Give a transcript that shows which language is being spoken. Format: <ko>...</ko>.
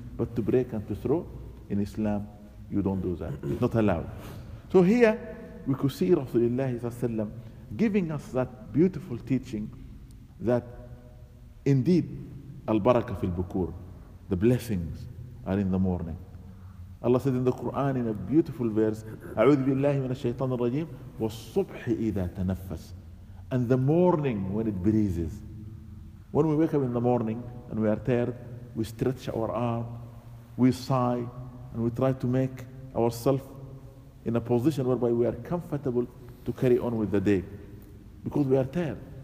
<en>But to break and to throw, in Islam, you don't do that. It's not allowed. So here, we could see Rasulullah giving us that beautiful teaching that indeed, al-baraka fil-bukur, the blessings are in the morning. Allah said in the Quran in a beautiful verse,</en> <ar>أعوذ بالله من الشيطان الرجيم والصبح إذا تنفس.</ar> <en>And the morning when it breezes. When we wake up in the morning and we are tired, we stretch our arm, we sigh, and we try to make ourselves in a position whereby we are comfortable to carry on with the day. Because we are tired.</en>